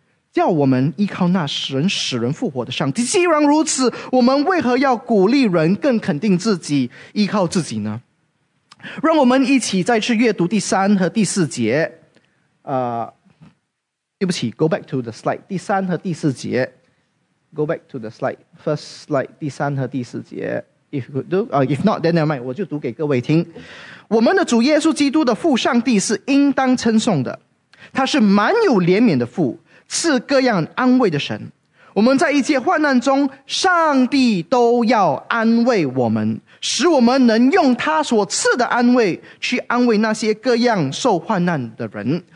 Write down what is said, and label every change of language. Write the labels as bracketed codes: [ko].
[zh] 叫我们依靠那使人复活的上帝。既然如此，我们为何要鼓励人更肯定自己依靠自己呢？让我们一起再次阅读第三和第四节，对不起， [en] go back to the slide， [zh] 第三和第四节， go back to the slide， [en] first slide， [zh] 第三和第四节。 [en] if you could do, if not then never mind， [zh] 我就读给各位听。我们的主耶稣基督的父上帝是应当称颂的，他是满有怜悯的父，赐各样安慰的神。我们在一切患难中，上帝都要安慰我们，使我们能用他所赐的安慰去安慰那些各样受患难的人。